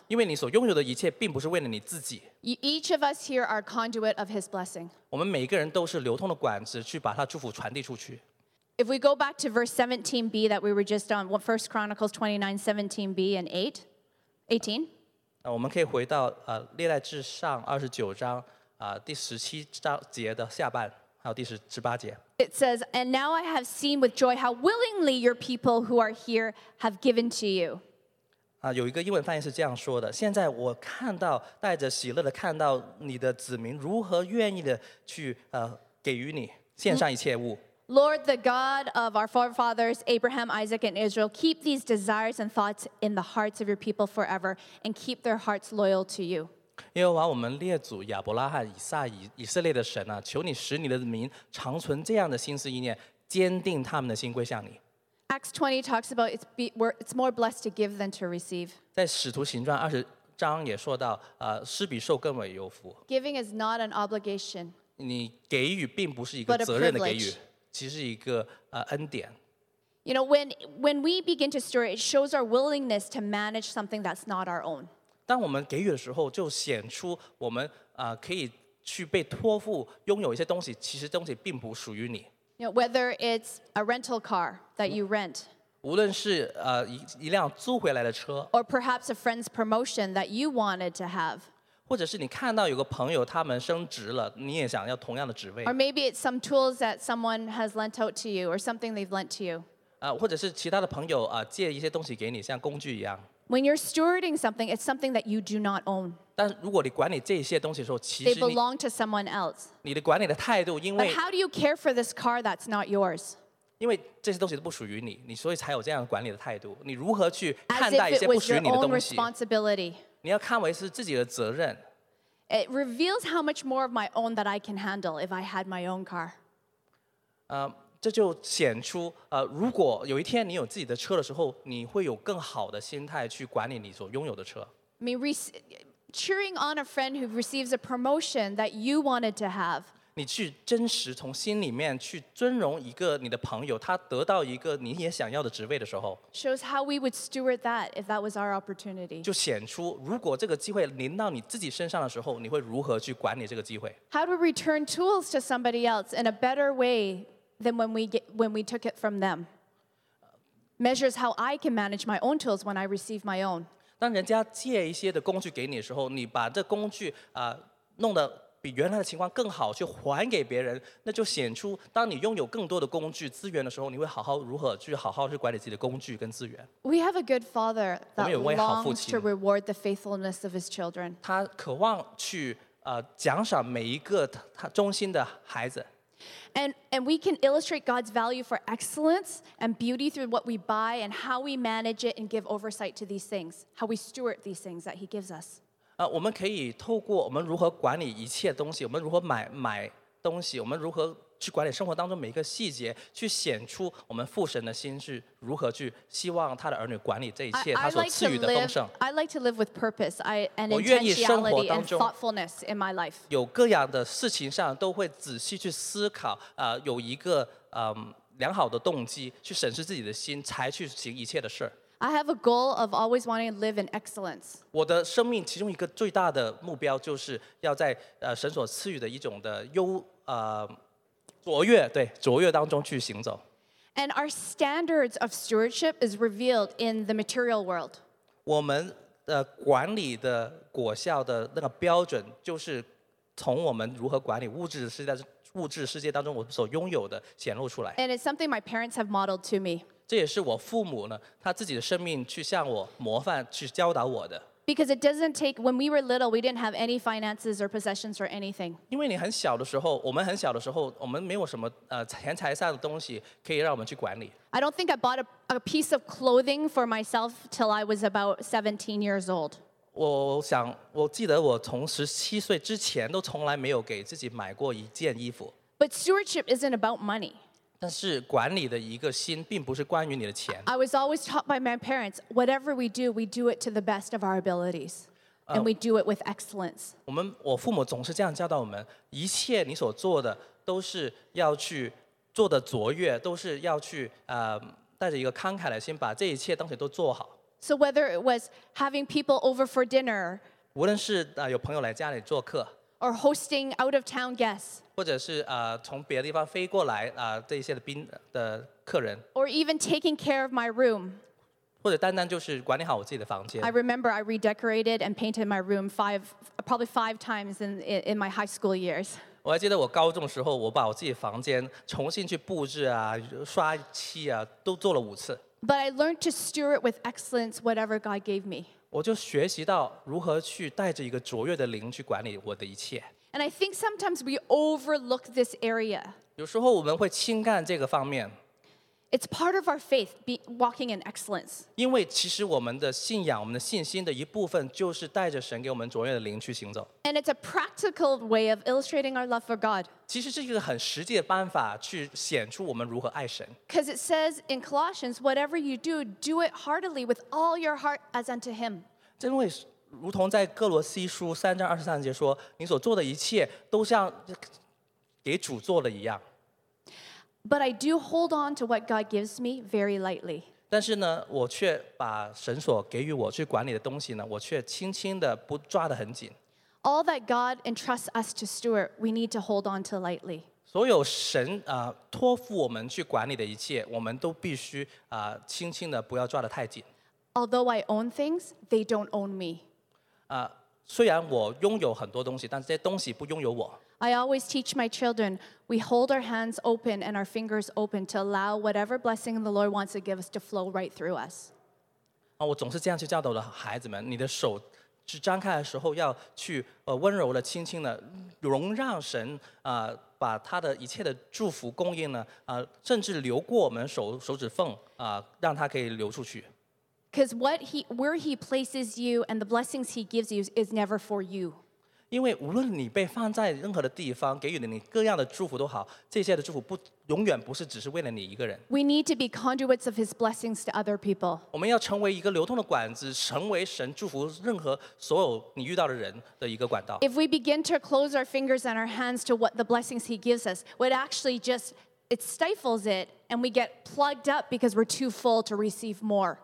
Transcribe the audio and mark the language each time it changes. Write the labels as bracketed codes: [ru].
[zh] 因为你所拥有的一切并不是为了你自己。 [en] Each of us here are conduit of His blessing. [zh] 我们每个人都是流通的管子，去把他祝福传递出去。 [en] If we go back to verse 17b that we were just on, 1 Chronicles 29, 17b and 8, 18. [zh] 那我们可以回到历代志上29章第17节的下半，还有第18节。 [en] It says, "And now I have seen with joy how willingly your people who are here have given to you." [zh] 有一个英文翻译是这样说的：现在我看到带着喜乐的看到你的子民如何愿意的去给予你献上一切物。 [en] Lord, the God of our forefathers, Abraham, Isaac, and Israel, keep these desires and thoughts in the hearts of your people forever and keep their hearts loyal to you. [zh] 耶和华我们列祖亚伯拉罕以撒以色列的神啊，求你使你的民长存这样的心思意念，坚定他们的心归向你。 [en] Acts 20 talks about it's more blessed to give than to receive. [zh] 在使徒行传20章也说到施比受更为有福。 [en] Giving is not an obligation. [zh] 你给予并不是一个责任的给予。其实一个恩典。 [en] You know, when we begin to store, it shows our willingness to manage something that's not our own. [zh] 当我们给予的时候，就显出我们可以去被托付拥有一些东西，其实东西并不属于你。 [en] You know, whether it's a rental car that you rent. [zh] 无论是一辆租回来的车。 [en] Or perhaps a friend's promotion that you wanted to have. [zh] 或者是你看到有个朋友他们升职了，你也想要同样的职位。 [en] Or maybe it's some tools that someone has lent out to you, or something they've lent to you. [zh] 或者是其他的朋友借一些东西给你，像工具一样。 [en] When you're stewarding something, it's something that you do not own. [zh] 但如果你管理这些东西的时候，其实 [en] they belong to someone else. [zh] 你的管理的态度，因为 [en] But how do you care for this car that's not yours? [zh] 因为这些东西都不属于你，你所以才有这样管理的态度。你如何去看待一些不属于你的东西 [en] As if it was your own responsibility. [zh] 你要看为是自己的责任。 [en] It reveals how much more of my own that I can handle if I had my own car. [zh] 这就显出如果有一天你有自己的车的时候，你会有更好的心态去管理你所拥有的车。 [en] I mean, cheering on a friend who receives a promotion that you wanted to have. [zh] 你去真实从心里面去尊荣一个你的朋友，他得到一个你也想要的职位的时候 [en] ，shows how we would steward that if that was our opportunity。 [zh] 就显出如果这个机会临到你自己身上的时候，你会如何去管理这个机会 [en] ？How to return tools to somebody else in a better way than when we took it from them? Measures how I can manage my own tools when I receive my own。 [zh] 当人家借一些的工具给你的时候，你把这工具弄得比原来的情况更好，去还给别人，那就显出当你拥有更多的工具资源的时候，你会好好如何去好好去管理自己的工具跟资源。 [en] We have a good father that longs to reward the faithfulness of his children. [zh] 他渴望去奖赏每一个他忠心的孩子。 [en] And we can illustrate God's value for excellence and beauty through what we buy and how we manage it and give oversight to these things, how we steward these things that He gives us. [zh] 我们可以透过我们如何管理一切东西，我们如何买东西，我们如何去管理生活当中每一个细节，去显出我们父神的心是如何去希望他的儿女管理这一切，他所赐予的丰盛。 [en] I like to live with purpose, and intentionality and thoughtfulness in my life. [zh] 有各样的事情上都会仔细去思考，有一个良好的动机去审视自己的心，才去行一切的事。 [en] I have a goal of always wanting to live in excellence. [zh] 我的生命其中一个最大的目标就是要在神所赐予的一种的优卓越，对，卓越当中去行走。 [en] And our standards of stewardship is revealed in the material world. [zh] 我们的管理的果效的那个标准，就是从我们如何管理物质世界当中我所拥有的显露出来。 [en] And it's something my parents have modeled to me. [zh] 这也是我父母呢，他自己的生命去向我模范，去教导我的。 [en] Because it doesn't take, when we were little, we didn't have any finances or possessions or anything. [zh] 因为你很小的时候，我们很小的时候，我们没有什么钱财上的东西可以让我们去管理。 [en] I don't think I bought a piece of clothing for myself till I was about 17 years old. [zh] 我记得我从17岁之前都从来没有给自己买过一件衣服。 [en] But stewardship isn't about money. [zh] 但是管理的一个心并不是关于你的钱。 [en] I was always taught by my parents, whatever we do it to the best of our abilities, and we do it with excellence. [zh] 我父母总是这样教导我们，一切你所做的都是要去做的卓越，都是要去带着一个慷慨的心把这一切东西都做好。 [en] So whether it was having people over for dinner, [zh] 无论是有朋友来家里做客。 [en] Or hosting out-of-town guests. [zh] 或者是从别的地方飞过来这些的宾的客人。 [en] Or even taking care of my room. [zh] 或者单单就是管理好我自己的房间。 [en] I remember I redecorated and painted my room probably five times in my high school years. [zh] 我还记得我高中的时候，我把我自己房间重新去布置刷漆都做了五次。 [en] But I learned to steward with excellence whatever God gave me. [zh] 我就学习到如何去带着一个卓越的灵去管理我的一切。 [en] And I think sometimes we overlook this area. [zh] 有时候我们会轻看这个方面。 [en] It's part of our faith, walking in excellence. [zh] 因为其实我们的信仰，我们的信心的一部分就是带着神给我们卓越的灵去行走。 [en] And it's a practical way of illustrating our love for God. [zh] 其实这是一个很实际的办法去显出我们如何爱神。 [en] Because it says in Colossians, whatever you do, do it heartily with all your heart as unto him. [zh] 因为如同在哥罗西书三章二十三节说，你所做的一切都像给主做的一样。 [en] But I do hold on to what God gives me very lightly. [zh] 但是呢，我却把神所给予我去管理的东西呢，我却轻轻的不抓得很紧。 [en] All that God entrusts us to steward, we need to hold on to lightly. [zh] 所有神托付我们去管理的一切，我们都必须轻轻的不要抓得太紧。 [en] Although I own things, they don't own me. [zh] 虽然我拥有很多东西，但这些东西不拥有我。 [en] I always teach my children, we hold our hands open and our fingers open to allow whatever blessing the Lord wants to give us to flow right through us. [zh] 我总是这样去教导我的孩子们，你的手去张开的时候要去温柔的轻轻的容让神把他的一切的祝福供应呢甚至流过我们手指缝让他可以流出去。 [en] Because where he places you and the blessings he gives you is never for you. [zh] 因为无论你被放在任何的地方，给予了你各样的祝福都好，这些的祝福不永远不是只是为了你一个人。 [en] We need to be conduits of His blessings to other people. [zh] 我们要成为一个流通的管子，成为神祝福任何所有你遇到的人的一个管道。 [en] If we begin to close our fingers and our hands to what the blessings He gives us, would actually just it stifles it, and we get plugged up because we're too full to receive more.